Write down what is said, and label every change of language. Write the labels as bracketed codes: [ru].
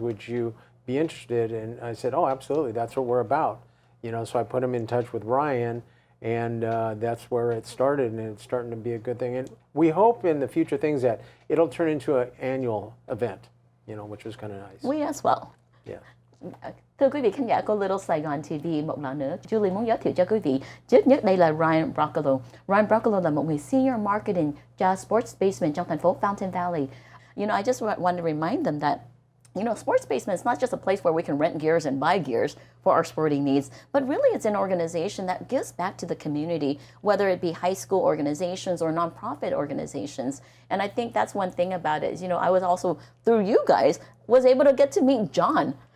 [en] Would you be interested? And I said, oh, absolutely. That's what we're about. You know, so I put him in touch with Ryan, and that's where it started, and it's starting to be a good thing. And we hope in the future things that it'll turn into an annual event, you know, which was kind of nice. We as well. Yeah. [vi] Thưa quý vị khán giả của Little Saigon TV, một lần nữa, Julie muốn giới thiệu cho quý vị. Trước nhất đây là Ryan Brocklow. Ryan Brocklow là một người [en] senior marketing [vi] cho Sports Basement trong thành phố Fountain Valley. [en] You know, I just want to remind them that, you know, Sports Basement is not just a place where we can rent gears and buy gears for our sporting needs, but really it's an organization that gives back to the community, whether it be high school organizations or nonprofit organizations. And I think that's one thing about it is, you know, I was also, through you guys, was able to get to meet John.